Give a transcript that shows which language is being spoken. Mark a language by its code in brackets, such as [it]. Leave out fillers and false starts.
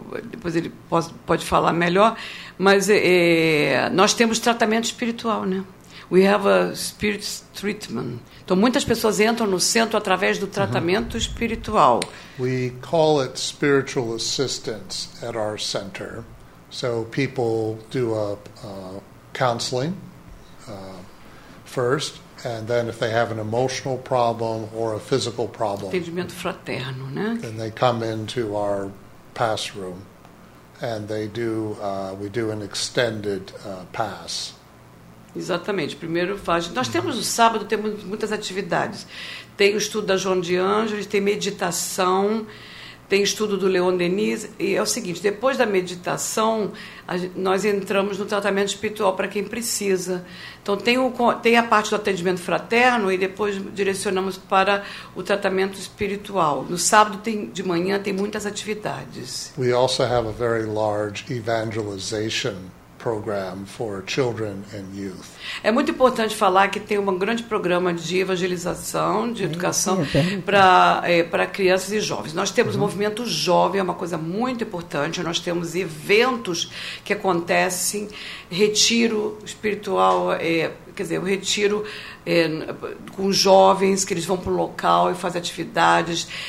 [pt] Depois ele pode falar melhor, mas nós temos tratamento espiritual, né? [en] We have a spirit treatment. [pt] Então, muitas pessoas entram no centro através do tratamento espiritual. [en] We call it spiritual assistance at our center. So, people do a counseling first, and then if they have an emotional problem or a physical problem, [pt] atendimento fraterno, né? [en] Then they come into our pass room, and they do. We do an extended pass. [pt] Exatamente, primeiro faz. Nós temos o sábado, temos muitas atividades. Tem o estudo da Joan de Ângeles, tem meditação, tem estudo do Leon Denis. E é o seguinte: depois da meditação, nós entramos no tratamento espiritual para quem precisa. Então, tem a parte do atendimento fraterno e depois direcionamos para o tratamento espiritual. No sábado, de manhã, tem muitas atividades. [en] We also have a very large evangelization program for children and youth. [pt] É muito importante falar que tem um grande programa de evangelização, de educação para crianças e jovens. Nós temos o movimento jovem, é uma coisa muito importante. Nós temos eventos que acontecem, retiro espiritual, quer dizer, o retiro com jovens, que eles vão para o local e fazem atividades.